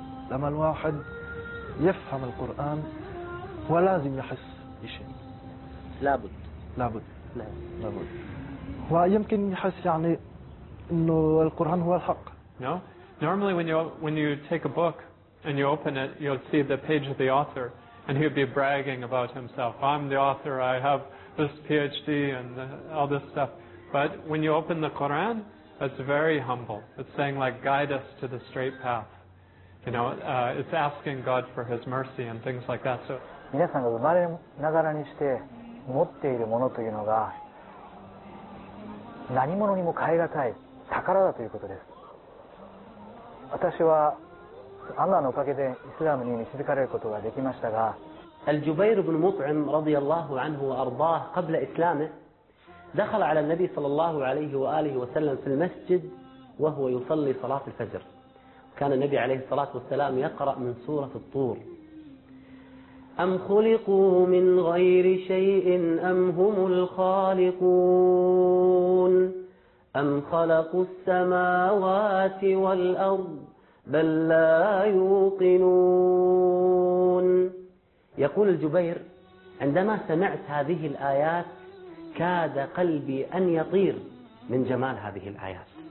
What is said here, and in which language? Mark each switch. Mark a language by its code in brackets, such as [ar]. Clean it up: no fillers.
[ar] الواحد يفهم القرآن ولازم يحس بشيء لابد لابد نعم لابد ويمكن يحس يعني انه القرآن هو الحق [en] no normally when you take a book and you open it you'll see the page of the author and he'll be bragging about himself I'm the author I have this PhD and all this stuff but when you open the Quran it's very humble it's saying like guide us to the straight path You know, it's asking God for His mercy and things like that. So, [ja] 皆さんが生まれながらにして持っているものというのが何物にも代えがたい宝だということです。私はアラーのおかげでイスラムに導かれることができましたが、 [ar] الجبير بن مطعم رضي الله عنه وأرضاه قبل إسلامه دخل على النبي صلى الله عليه وآله وسلم في المسجد وهو يصلي صلاة الفجر. كان النبي عليه الصلاة والسلام يقرأ من سورة الطور أم خلقوا من غير شيء أم هم الخالقون أم خلقوا السماوات والأرض بل لا يوقنون يقول الجبير عندما سمعت هذه الآيات كاد قلبي أن يطير من جمال هذه الآيات